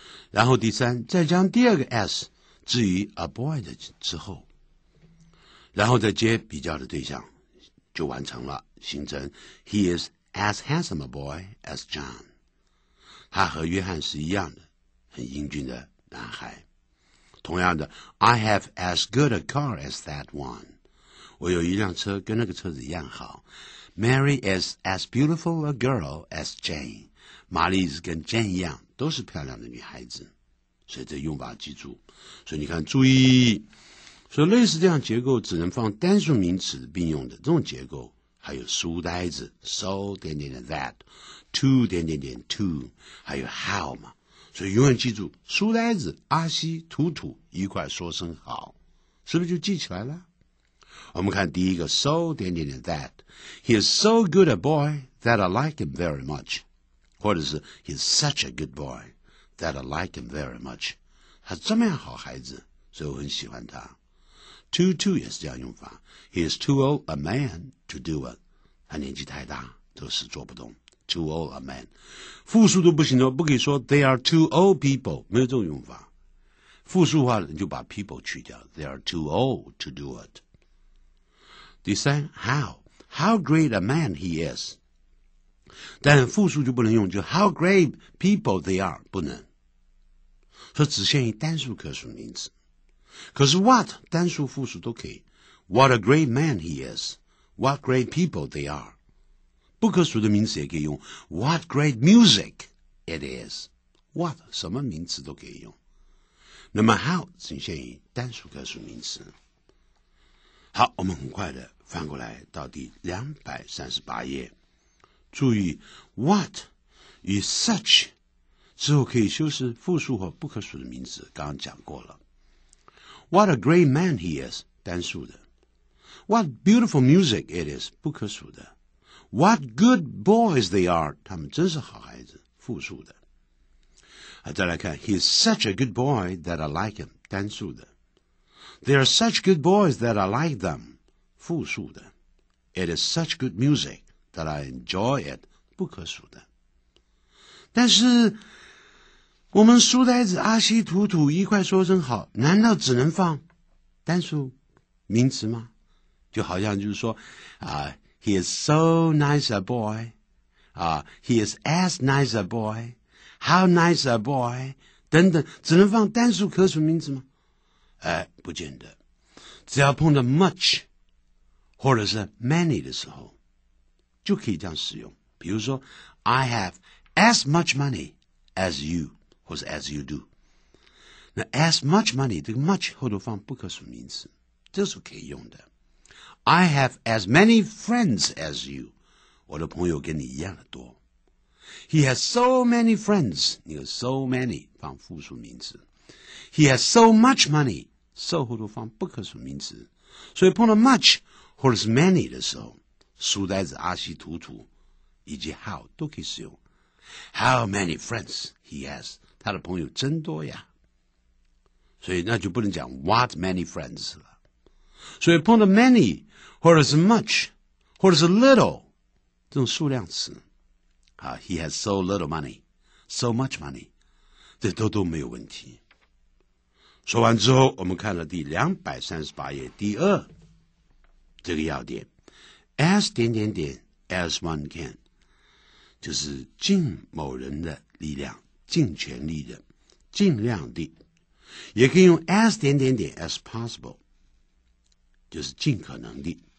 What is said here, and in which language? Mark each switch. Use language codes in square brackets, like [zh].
[zh] 然后第三，再将第二个 s 置于 a boy 的之后，然后再接比较的对象，就完成了，形成 [en] He is as handsome a boy as John， [zh] 他和约翰是一样的，很英俊的男孩。 [en] 同样的 I have as good a car as that one， [zh] 我有一辆车跟那个车子一样好。 [en] Mary is as beautiful a girl as Jane， [zh] 玛丽是跟 Jane 一样，都是漂亮的女孩子。所以这用法记住，所以你看注意，所以类似这样结构只能放单数名词并用的，这种结构还有书呆子 so 点点点 that to 点点点 to 还有 how 嘛，所以永远记住书呆子阿西图图一块说声好，是不是就记起来了？ [en] 我们看第一个 so 点点点 that he is so good a boy that I like him very much， 或者是 he is such a good boy that I like him very much， [zh] 他这么样好孩子，所以我很喜欢他。 Too too 也是这样用法。 [en] He is too old a man to do it. [zh] 他年纪太大，这事做不动。 Too old a man， 复数都不行的，不可以说 [en] they are too old people， [zh] 没有这种用法。复数话你就把 people 去掉。 [en] They are too old to do it。 [zh] 第三 ， [en] how great a man he is， [zh] 但复数就不能用，就 [en] how great people they are [zh] 不能，说只限于单数可数名词。 [en] 可是 what 单数复数都可以 ，what a great man he is，what great people they are， [zh] 不可数的名词也可以用 [en] ，what great music it is，what [zh] 什么名词都可以用。那么 how 仅限于单数可数名词。好，我们很快的翻过来到第238页，注意 what 与 such 之后可以修饰复数或不可数的名词，刚刚讲过了。 [en] What a great man he is, [zh] 单数的。 [en] What beautiful music it is, [zh] 不可数的。 [en] What good boys they are, [zh] 他们真是好孩子，复数的。 [en] 再来看 He is such a good boy that I like him, [zh] 单数的。 [en] They are such good boys that I like them, [zh] 复数的。 [en] It is such good music that I enjoy it, [zh] 不可数的。但是我们书呆子阿西图图一块说声好，难道只能放单数名词吗？就好像就是说 [en] He is so nice a boy He is as nice a boy How nice a boy 等等， [zh] 只能放单数可数名词吗？不见得，只要碰到 much 或者是 many 的时候就可以这样使用。 [en] 比如说 I have as much money as you或是 as you do， 那 as much money [zh] 这个 much 后头放不可数名词，这是可以用的。 [en] I have as many friends as you， [zh] 我的朋友跟你一样的多。 [en] He has so many friends， 你有 so many [zh] 放复数名词。 [en] He has so much money， so [zh] 后头放不可数名词。所以碰到 much 或者是 many 的时候，书呆子阿西图图以及 how 都可以使用。 [en] How many friends he has， [zh] 他的朋友真多呀，所以那就不能讲 [en] what many friends [zh] 了。所以碰到 many 或者是 much 或者是 little 这种数量词 [en] He has so little money so much money [zh] 这都没有问题。说完之后我们看了第238页第二这个要点 as 点点点 [en] as one can， [zh] 就是尽某人的力量，尽全力的，尽量的，也可以用 as 点点点 [en] as possible， [zh] 就是尽可能的。